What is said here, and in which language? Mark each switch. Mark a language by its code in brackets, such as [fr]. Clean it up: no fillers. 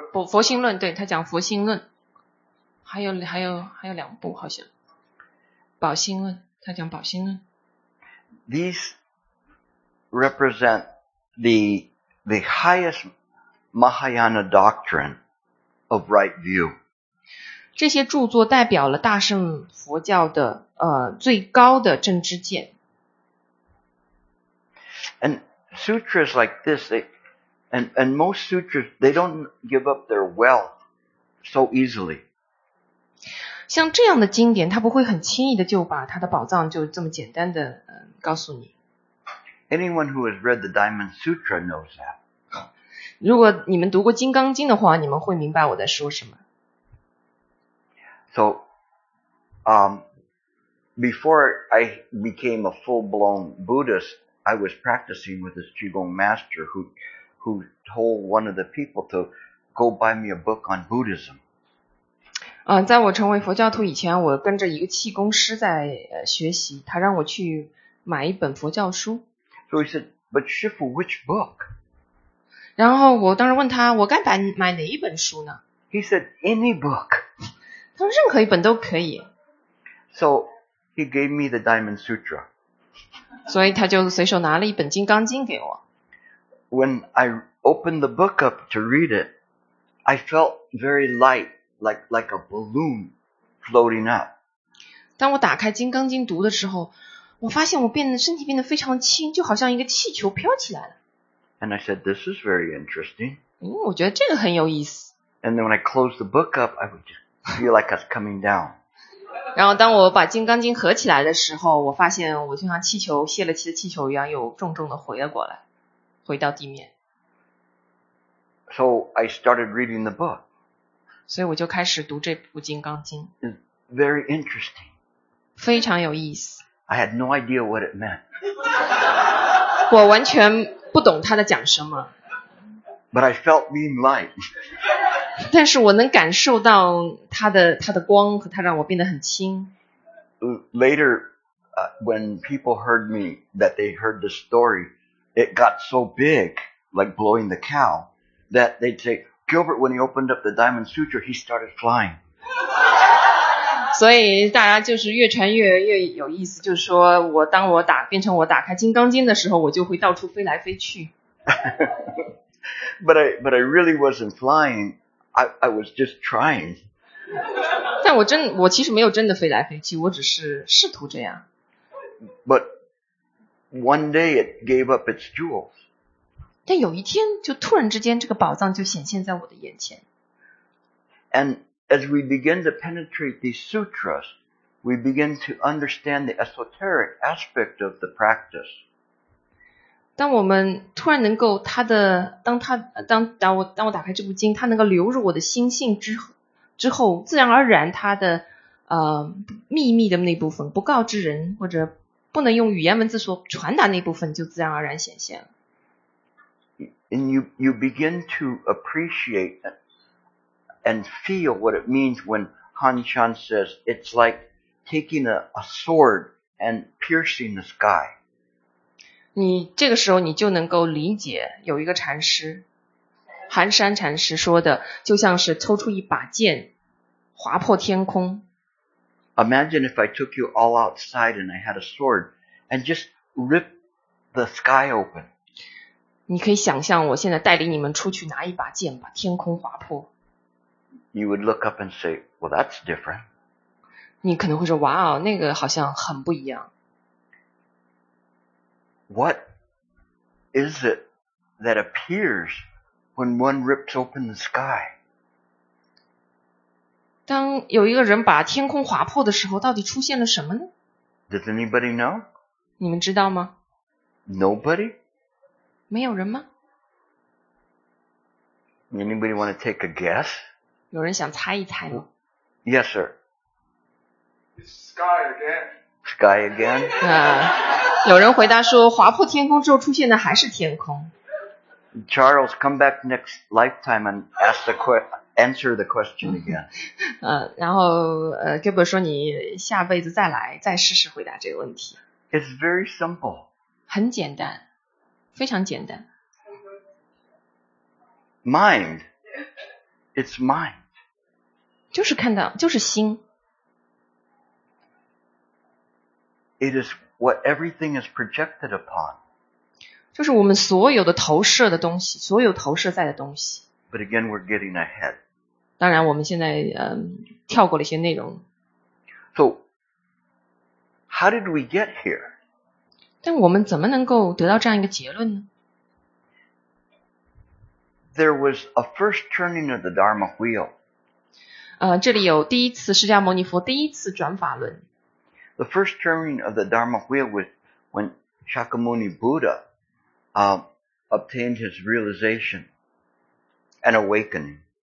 [zh] 佛心论，对，他讲佛心论，还有两部好像，宝心论，他讲宝心论。 [en] These represent the highest Mahayana doctrine of right view. [zh] 这些著作代表了大乘佛教的最高的正知见。 [en] And sutras like this, and most sutras, they don't give up their wealth so easily. [zh] 像这样的经典，他不会很轻易的就把他的宝藏就这么简单的告诉你。 [en] Anyone who has read the Diamond Sutra knows that. [zh] 如果你们读过《金刚经》的话，你们会明白我在说什么。 [en] So, before I became a full-blown Buddhist, I was practicing with this Qigong master who told one of the people to go buy me a book on Buddhism. [zh] 在我成为佛教徒以前，我跟着一个气功师在学习，他让我去买一本佛教书。 [en] So he said, but Shifu, which book? [zh] 然后我当时问他，我该买哪一本书呢？ [en] He said, any book. [zh] 他说任何一本都可以。 [en] So he gave me the Diamond Sutra. [zh] 所以他就随手拿了一本金刚经给我。 [en] When I opened the book up to read it, I felt very light, like a balloon floating up. [zh] 当我打开金刚经读的时候，我发现我身体变得非常轻，就好像一个气球飘起来了。 [en] And I said, this is very interesting. [zh] 我觉得这个很有意思。 [en] And then when I closed the book up, I would feel like I was coming down. [zh] 然后当我把金刚经合起来的时候，我发现我就像气球，泄了气的气球一样，又重重的回了过来，回到地面。 [en] So I started reading the book. [zh] 所以我就开始读这部金刚经。 [en] It's very interesting. [zh] 非常有意思。 [en] I had no idea what it meant. [zh] 我完全不懂他在讲什么。 [en] But I felt being light. [zh] 但是我能感受到他的光和他让我变得很轻。 [en] Later, when people heard me, that they heard the story, it got so big, like blowing the cow, that they'd say, Gilbert, when he opened up the Diamond Sutra, he started flying. [zh] 所以大家就是越传越有意思，就是说我当我打变成我打开金刚经的时候，我就会到处飞来飞去。 [en] but I really wasn't flying. I was just trying. [zh] 但我其实没有真的飞来飞去，我只是试图这样。 [en] But one day it gave up its jewels. [zh] 但有一天就突然之间这个宝藏就显现在我的眼前。 [en] And as we begin to penetrate these sutras, we begin to understand the esoteric aspect of the practice. [zh] 当我们突然能够当我打开这部经，它能够流入我的心性之后，自然而然它的秘密的那部分，不告知人或者不能用语言文字所传达那部分，就自然而然显现了。 [en] And you begin to appreciate that. And feel what it means when Han Chan says it's like taking a sword and piercing the sky. [zh] 你这个时候你就能够理解有一个禅师，寒山禅师说的，就像是抽出一把剑，划破天空。 [en] Imagine if I took you all outside and I had a sword and just ripped the sky open. [zh] 你可以想象我现在带领你们出去拿一把剑把天空划破。 [en] You would look up and say, well, that's different. [zh] 你可能会说，哇哦，那个好像很不一样。 [en] What is it that appears when one rips open the sky? [zh] 当有一个人把天空划破的时候，到底出现了什么呢？ [en] Does anybody know? [zh] 你们知道吗？ [en] Nobody? [zh] 没有人吗？ [en] Anybody want to take a guess? [zh] 有人想猜一猜吗？ [en] Yes, sir. It's sky again. Sky again? [zh] 有人回答说划破天空之后出现的还是天空。 [en] Charles, come back next lifetime and answer the question again. [zh] 然后Gilbert说你下辈子再来再试试回答这个问题。 [en] It's very simple. [zh] 很简单，非常简单。 [en] mind. It's mind. [zh] 就是看到，就是心。 [en] It is what everything is projected upon. [zh] 就是我们所有的投射的东西，所有投射在的东西。 [en] But again, we're getting ahead. [zh] 当然我们现在跳过了一些内容。 [en] So, how did we get here? [zh] 但我们怎么能够得到这样一个结论呢？ [en] There was a first turning of the Dharma wheel. [zh] 这里有第一次释迦牟尼佛第一次转法轮。 [en] The first turning of the Dharma wheel was when Shakyamuni Buddha obtained his realization and awakening.